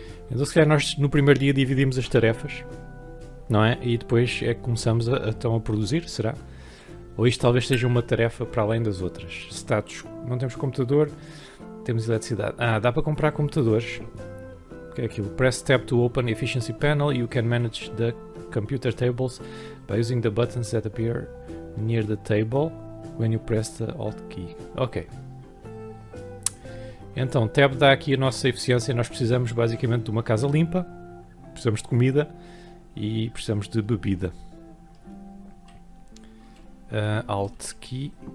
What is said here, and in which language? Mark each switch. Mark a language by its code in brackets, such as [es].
[pt] Então, se calhar, nós no primeiro dia dividimos as tarefas, não é? E depois é que começamos a produzir, será? Ou isto talvez seja uma tarefa para além das outras. Status. Não temos computador, temos eletricidade. Ah, dá para comprar computadores. O que é aquilo? [en] Press tab to open efficiency panel. You can manage the computer tables by using the buttons that appear near the table when you press the Alt key. Ok. [pt] Então, tab dá aqui a nossa eficiência. Nós precisamos basicamente de uma casa limpa. Precisamos de comida e precisamos de bebida. [en] Alt key.